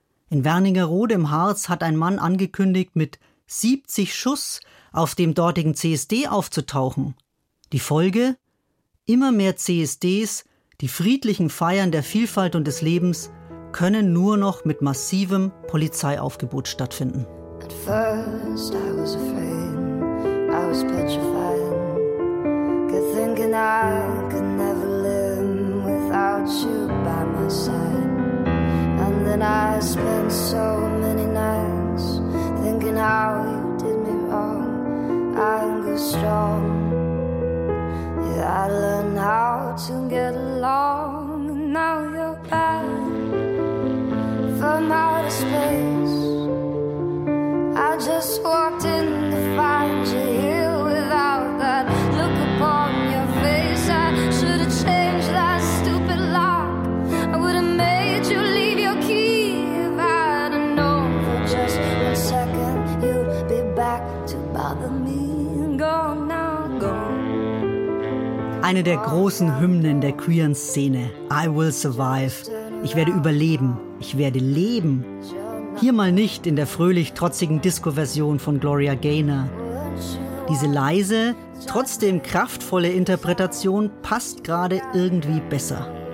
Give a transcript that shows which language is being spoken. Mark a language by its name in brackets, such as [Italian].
[German] In Wernigerode im Harz hat ein Mann angekündigt, mit 70 Schuss auf dem dortigen CSD aufzutauchen. Die Folge? Immer mehr CSDs, die friedlichen Feiern der Vielfalt und des Lebens, können nur noch mit massivem Polizeiaufgebot stattfinden. [English] At first I was afraid, I was petrified, good thinking I could never live without you by my side. And then I spent so many nights thinking how you did me wrong, anger strong. Yeah, I learned how to get along, and now you're back from outer space. I just walked in to find you here without that look upon your face. I should have changed that stupid lock. I would have made you leave your key if I'd have known for just one second you'd be back to bother me. Go now, go. [German] Eine der großen Hymnen der queeren Szene, I Will Survive. Ich werde überleben. Ich werde leben. Hier mal nicht in der fröhlich-trotzigen Disco-Version von Gloria Gaynor. Diese leise, trotzdem kraftvolle Interpretation passt gerade irgendwie besser.